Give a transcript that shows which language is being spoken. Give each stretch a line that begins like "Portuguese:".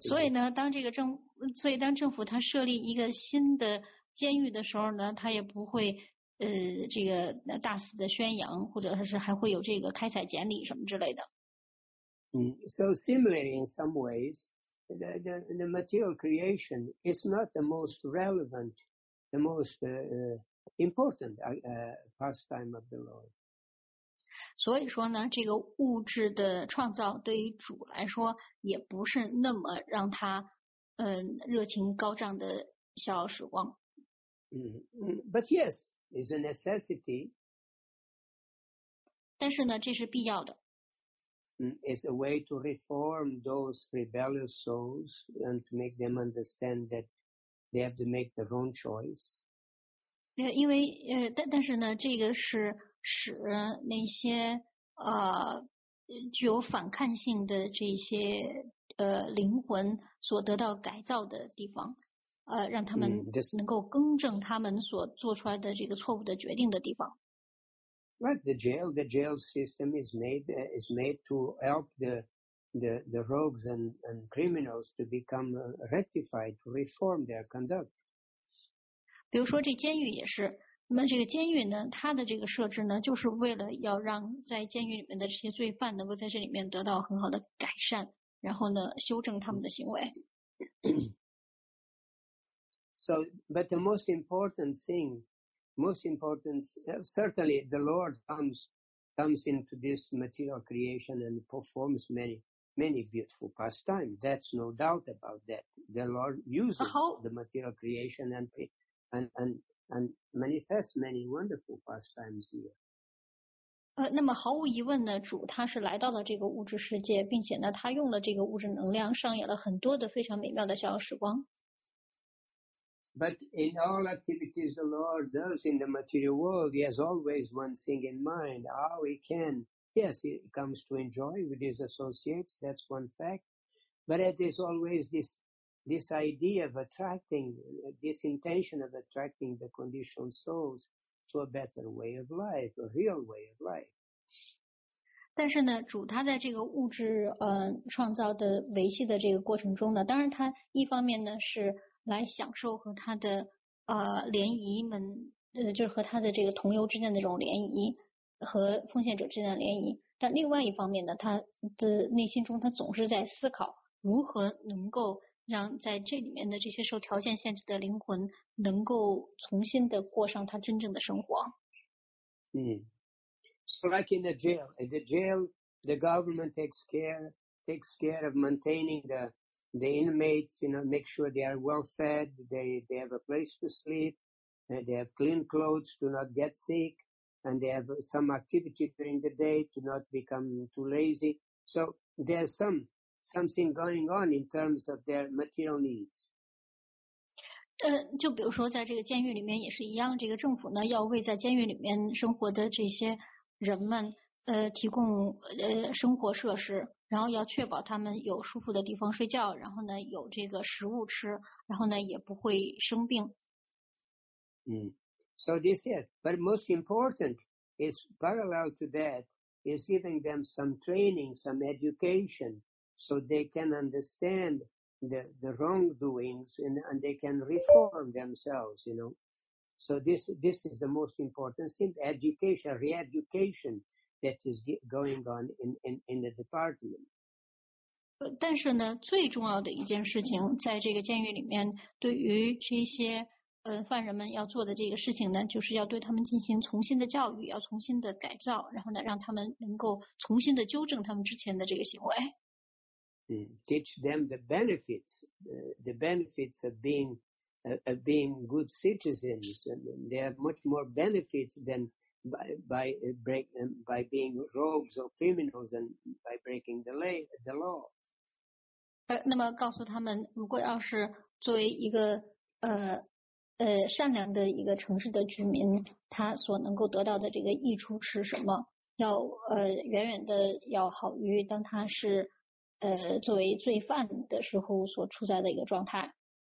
Chinese: 所以当政府他设立一个新的监狱的时候呢，他也不会这个大肆的宣扬，或者是还会有这个开采典礼什么之类的。
English: So similarly in some ways,The material creation is not the most relevant, the most important pastime of the Lord.
Chinese: 所以说呢，这个物质的创造对于主来说也不是那么让他热情高涨的逍遥时光。
English: But yes, it's a necessity.
Chinese: 但是呢，这是必要的。
English: is a way to reform those rebellious souls and to make them understand that they have to make their own choice.
Chinese: 因为但是呢，这个是使那些具有反抗性的这些灵魂所得到改造的地方，让他们能够更正他们所做出来的这个错误的决定的地方。
English: Right, the jail system is made to help the rogues and criminals to become rectified, to reform their conduct.
Chinese: 比如说这监狱也是，那么这个监狱呢，它的这个设置呢，就是为了要让在监狱里面的这些罪犯能够在这里面得到很好的改善，然后呢，修正他们的行为。
English: So, but the most important thing. Most important, certainly the Lord comes into this material creation and performs many, many beautiful pastimes. That's no doubt about that. The Lord uses the material creation and manifests many wonderful pastimes here.
Chinese: 那么毫无疑问呢，主他是来到了这个物质世界，并且呢，他用了这个物质能量上演了很多的非常美妙的逍遥时光。
English: But in all activities the Lord does in the material world, he has always one thing in mind, how he can. Yes, he comes to enjoy with his associates, that's one fact. But it is always this idea of attracting, this intention of attracting the conditioned souls to a better way of life, a real way of life.
Chinese: 但是呢，主他在这个物质创造的维系的这个过程中呢，当然他一方面呢是来享受和他的联谊们就是和他的这个同游之间的这种联谊和奉献者之间的联谊，但另外一方面呢，他的内心中他总是在思考如何能够让在这里面的这些受条件限制的灵魂能够重新的过上他真正的生活。
English: 嗯 So like in the jail, the government takes care of maintaining the inmates, you know, make sure they are well fed, they have a place to sleep, they have clean clothes to not get sick, and they have some activity during the day to not become too lazy. So there's something going on in terms of their material needs.
Chinese: 就比如说在这个监狱里面也是一样，这个政府呢要为在监狱里面生活的这些人们提供生活设施，然后要确保他们有舒服的地方睡觉，然后呢有这个食物吃，然后呢也不会生病。
English: So this is, but most important is parallel to that is giving them some training, some education, so they can understand the wrongdoings and they can reform themselves, you know. So this is the most important thing, education, re-education. That is going on in the department.
Chinese: 但是呢，最重要的一件事情，在这个监狱里面，对于这些犯人们要做的这个事情呢，就是要对他们进行重新的教育，要重新的改造，然后呢，让他们能够重新的纠正他们之前的这个行为。
English: Teach them the benefits of being good citizens. There are much more benefits than. By being rogues or criminals and by breaking the law.
Chinese: 那么告诉他们，如果要是作为一个善良的一个城市的居民，他所能够得到的这个益处是什么？要远远的要好于当他是作为罪犯的时候所处在的一个状态。